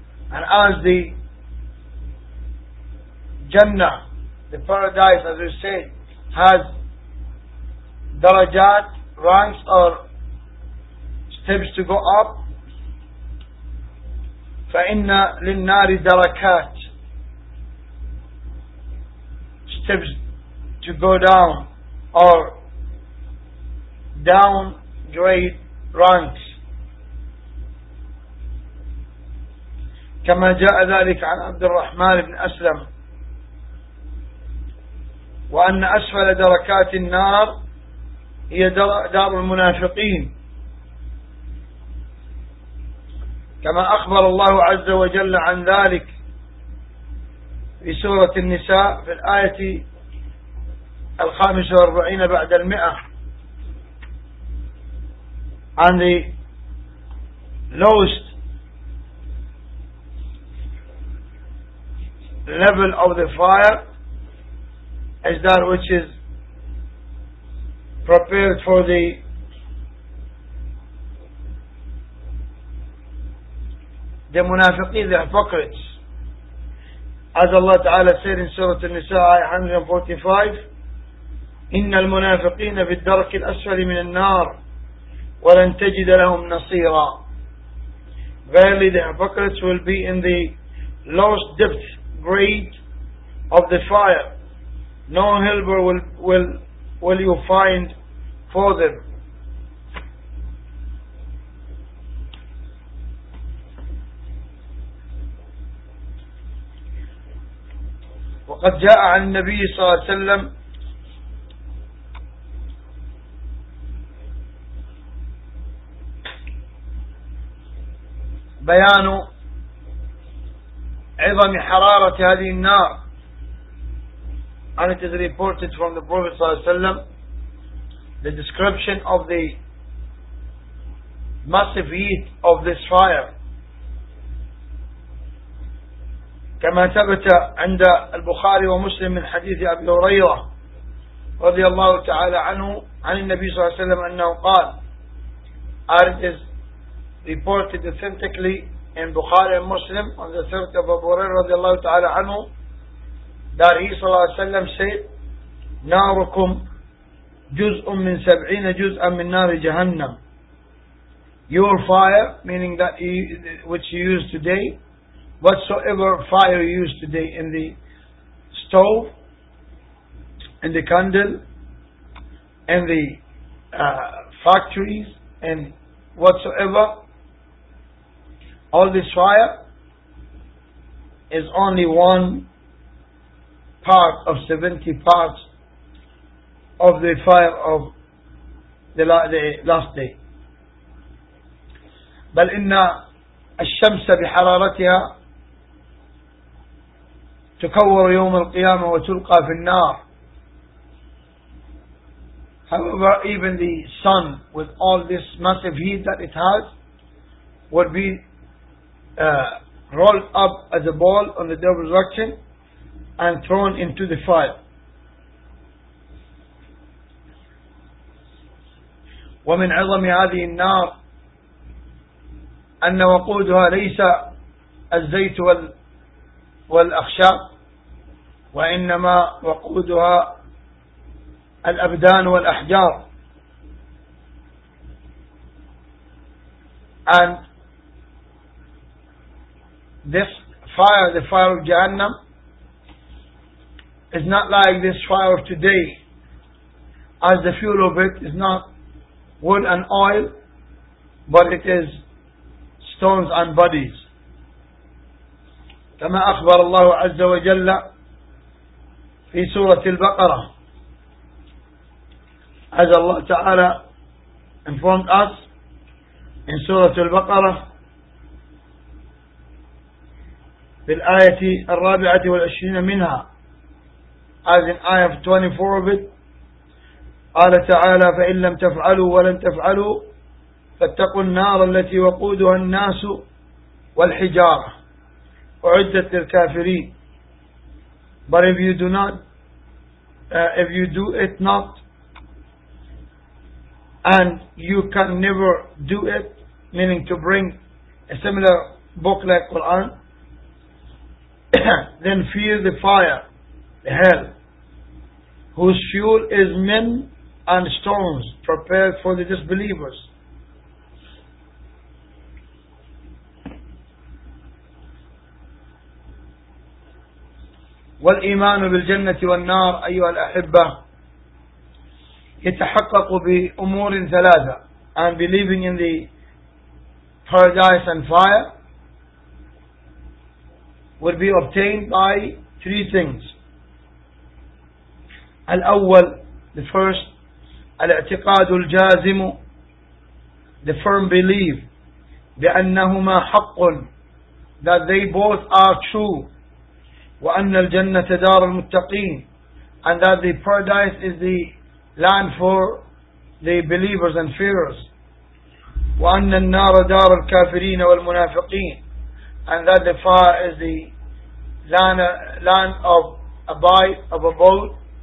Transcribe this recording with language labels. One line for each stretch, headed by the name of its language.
English: And as the Jannah, the paradise as we say, has darajat, ranks or steps to go up,
Arabic: فَإِنَّ لِلنَّارِ
English: darakat, steps to go down or downgrade ranks.
Arabic: كما جاء ذلك عن عبد الرحمن بن أسلم وأن أسفل دركات النار هي دار المنافقين. كما أخبر الله عز وجل عن ذلك في سورة النساء في الآية 45 بعد 100 عن
English: the lowest level of the fire as that which is prepared for the munafiqeen, the hypocrites. As Allah Ta'ala said in Surah An-Nisa, ayah 145,
Arabic: إِنَّ الْمُنَافِقِينَ بِالدَّرْكِ الْأَسْفَلِ مِنَ النَّارِ وَلَنْ تَجِدَ لَهُمْ نَصِيرًا.
English: Verily the hypocrites will be in the lowest depth grade of the fire. No helper will you find for them.
Arabic: وقد جاء عن النبي صلى الله عليه وسلم بيان عظم حرارة هذه النار.
English: And it is reported from the Prophet
Arabic: صلى الله عليه وسلم
English: the description of the massive heat of this fire.
Arabic: كما ثبت عند البخاري ومسلم من حديث أبي هريرة رضي الله تعالى عنه عن النبي صلى الله عليه وسلم أنه قال.
English: And it is reported authentically in Bukhari and Muslim on the third of Abu Hurairah
Arabic: رضي الله تعالى عنه
English: that he
Arabic: صلى الله عليه وسلم
English: said
Arabic: ناركم جزء من سبعين جزءا من نار جهنم.
English: Your fire, meaning that which you use today, whatsoever fire you use today in the stove, in the candle, in the factories, and whatsoever, all this fire is only one part of 70 parts of the fire of the last day.
Arabic: بل إن الشمس بحرارتها تكور يوم القيامة وتلقى في النار.
English: However, even the sun with all this massive heat that it has would be rolled up as a ball on the day of resurrection and thrown into the fire.
Arabic: ومن عظم هذه النار أن وقودها ليس الزيت والأخشاب وإنما وقودها الأبدان والأحجار.
English: And this fire, the fire of Jahannam, is not like this fire of today, as the fuel of it is not wood and oil, but it is stones and bodies.
Arabic: كما أخبر الله عز وجل في سورة البقرة,
English: as Allah Ta'ala informed us in
Arabic: سورة البقرة في الآية الرابعة والعشرين منها,
English: as in
Arabic: آية 24
English: of it,
Arabic: قال تعالى فإن لم تفعلوا ولن تفعلوا فاتقوا النار التي وقودها الناس والحجارة أعدت للكافرين.
English: But if you do not if you do it not and you can never do it, meaning to bring a similar book like Quran, then fear the fire, the hell, whose fuel is men and stones prepared for the disbelievers.
Arabic: والإيمان بالجنة والنار أيها الأحبة يتحقق بأمور ثلاثة.
English: And believing in the paradise and fire will be obtained by three things.
Arabic: الأول,
English: the first,
Arabic: الاعتقاد الجازم,
English: the firm belief,
Arabic: بأنهما حق,
English: that they both are true,
Arabic: وأن الجنة دار المتقين,
English: and that the paradise is the land for the believers and fearers,
Arabic: وأن النار دار الكافرين والمنافقين,
English: and that the fire is the land of abode